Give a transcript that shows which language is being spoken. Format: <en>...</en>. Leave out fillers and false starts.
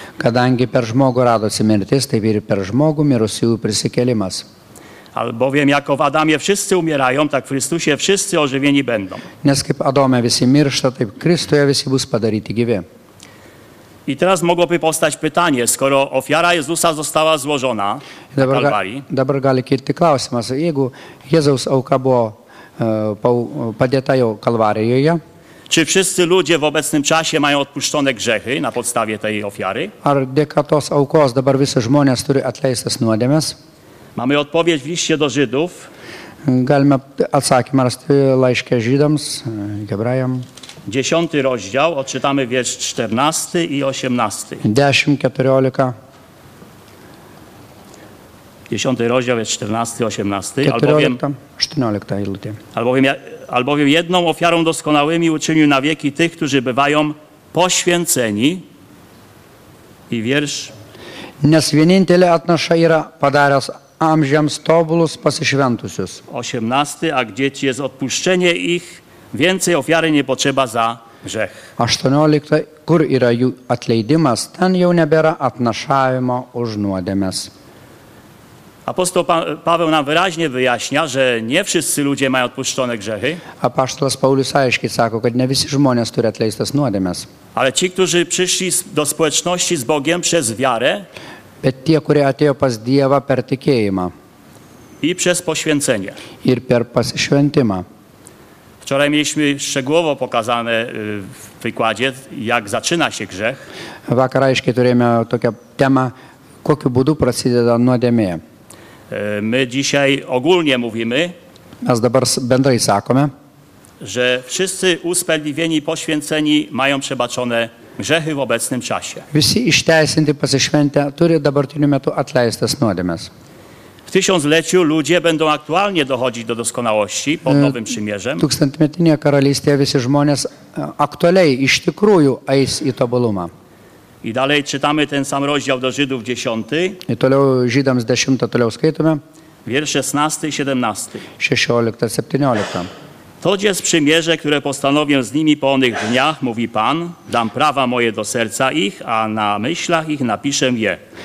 <lt>Kadangi per žmogų radosi mirtis, taip ir per žmogų mirusiųjų prisikėlimas.</lt> <pl>albowiem jako w Adamie wszyscy umierają, tak w Chrystusie wszyscy ożywieni będą.</pl> <lt>Nes kaip Adome visi miršta, taip Kristuje visi bus padaryti gyvi.</lt> <pl>I teraz mogłoby powstać pytanie, skoro ofiara Jezusa została złożona na Kalwarii.</pl> <lt>Dabar gali kilti klausimas, jeigu Jezus auka buvo padėta jau Kalvarijoje.</lt> <pl>Czy wszyscy ludzie w obecnym czasie mają odpuszczone grzechy na podstawie tej ofiary?</pl> <lt>Ar dėka tos aukos dabar visi žmonės turi atleistas nuodėmes?</lt> <pl>Mamy odpowiedź w liście do Żydów.</pl> <lt>Galime atsakymą rasti laiške Żydams, Hebrajam.</lt> <pl>10 rozdział, odczytamy wiersz 14 i 18.</pl> <lt>10:14.</lt> <pl>10 rozdział, wiersz 14 i 18. 14. Albowiem jedną ofiarą doskonałymi uczynił na wieki tych, którzy bywają poświęceni. I wiersz.</pl> <lt>Nes vienintelė atnaša yra padaręs amžiams tobulus pasišventusius. 18.</lt> <pl>A gdzie ci jest odpuszczenie ich? Więcej ofiary nie potrzeba za grzech.</pl> <lt>18. Kur yra jų atleidimas, ten jau nebėra atnašavimo už nuodėmes.</lt> <pl>Apostoł Paweł nam wyraźnie wyjaśnia, że nie wszyscy ludzie mają odpuszczone grzechy.</pl> <lt>Apostolas Paulius aiškiai sako, kad ne visi žmonės turi atleistas nuodėmes.</lt> <pl>Ale ci, którzy przyszli do społeczności z Bogiem przez wiarę.</pl> <lt>Bet tie, kurie atėjo pas Dievą per tikėjimą.</lt> <pl>I przez poświęcenie.</pl> <lt>Ir per pasišventimą.</lt> <pl>Wczoraj mieliśmy szczegółowo pokazane w wykładzie, jak zaczyna się grzech.</pl> <lt>Vakar aiškiai turėjome tokią temą, kokiu būdu prasideda nuodėmė.</lt> <pl>My dzisiaj ogólnie mówimy,</pl> <lt>mes dabar bendrai sakome,</lt> <pl>że wszyscy usprawiedliwieni, poświęceni mają przebaczone grzechy w obecnym czasie.</pl> <lt>Visi išteisinti pasišventę turi dabartiniu metu atleistas nuodėmes.</lt> <pl>W tysiącleciu ludzie będą aktualnie dochodzić do doskonałości pod nowym przymierzem.</pl> <lt>Tūkstantmetinėje karalystėje visi žmonės aktualiai iš tikrųjų eis į tobulumą.</lt> <pl>I dalej czytamy ten sam rozdział do Żydów 10.</pl> <lt>I toliau Żydams 10, toliau skaitome.</lt> <pl>Wiersz 16 i 17.</pl> <lt>16, 17.</lt> <pl>To jest przymierze, które postanowię z nimi po onych dniach, mówi Pan, dam prawa moje do serca ich, a na myślach ich napiszę je.</pl>